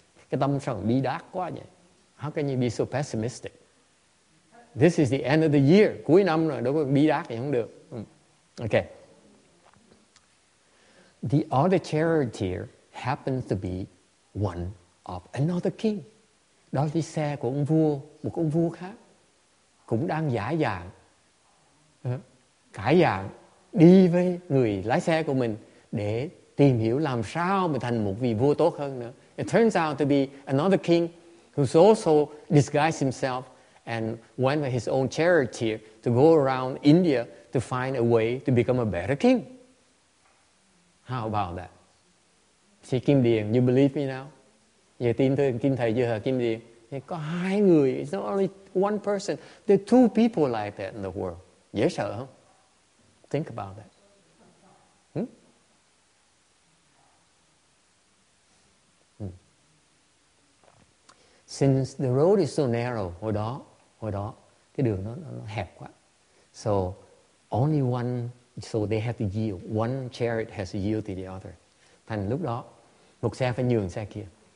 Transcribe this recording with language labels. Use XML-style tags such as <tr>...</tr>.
<vi>Cái tâm trạng bi đát quá vậy.</vi> <en>How can you be so pessimistic? This is the end of the year.</en> <vi>Cuối năm rồi, đâu có bi đát thì không được. Okay.</vi> <en>The other charioteer happens to be one of another king.</en> <vi>Đó là chiếc xe của ông vua, một ông vua khác. Cũng đang giả dạng, cải dạng, đi với người lái xe của mình để tìm hiểu làm sao mà thành một vị vua tốt hơn nữa.</vi> <en>It turns out to be another king who's also disguised himself and went with his own charioteer to go around India to find a way to become a better king. How about that? See, Kim Điền, you believe me now?</en> <vi>Giờ tin thôi, Kim Thầy chưa hả, Kim Điền? Có hai người,</vi> <en>it's not only one person. There are two people like that in the world.</en> <vi>Dễ sợ không?</vi> <en>Think about that. Since the road is so narrow,</en> <vi>hồi đó, cái đường nó hẹp quá.</vi> <en>So, only one, so they have to yield. One chariot has to yield to the other.</en> <vi>Thành lúc đó, một xe phải nhường xe kia.</vi>